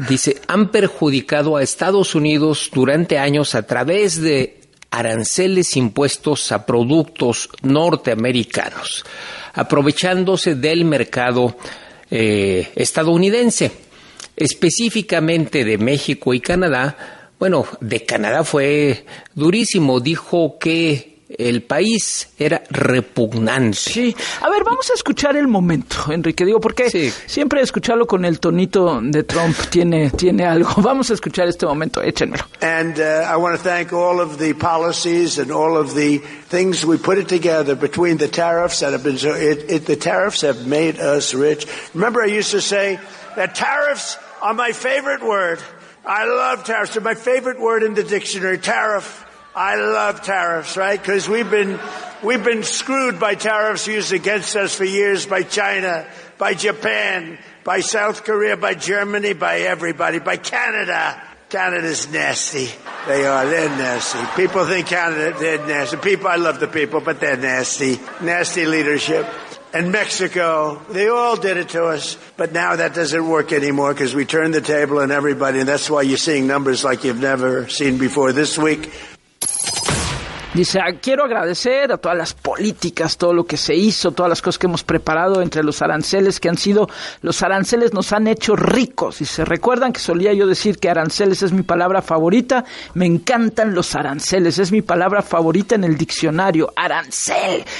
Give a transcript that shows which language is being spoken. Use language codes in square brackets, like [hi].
[es] Dice, han perjudicado a Estados Unidos durante años a través de aranceles impuestos a productos norteamericanos, aprovechándose del mercado estadounidense, específicamente de México y Canadá. Bueno, de Canadá fue durísimo, dijo que el país era repugnante. Sí. A ver, vamos a escuchar el momento, Enrique. Digo, porque sí, siempre escucharlo con el tonito de Trump tiene algo. Vamos a escuchar este momento. Échenmelo. [en] And I want to thank all of the policies and all of the things we put it together between the tariffs that have been so. The tariffs have made us rich. Remember, I used to say that tariffs are my favorite word. I love tariffs. They're my favorite word in the dictionary. Tariff. I love tariffs, right? Because We've been screwed by tariffs used against us for years by China, by Japan, by South Korea, by Germany, by everybody, by Canada. Canada's nasty. They are. They're nasty. People think Canada, they're nasty. People, I love the people, but they're nasty. Nasty leadership. And Mexico, they all did it to us. But now that doesn't work anymore because we turned the table on everybody. And that's why you're seeing numbers like you've never seen before this week. [es] Dice, quiero agradecer a todas las políticas, todo lo que se hizo, todas las cosas que hemos preparado entre los aranceles que han sido, los aranceles nos han hecho ricos. Y se recuerdan que solía yo decir que aranceles es mi palabra favorita, me encantan los aranceles, es mi palabra favorita en el diccionario, arancel.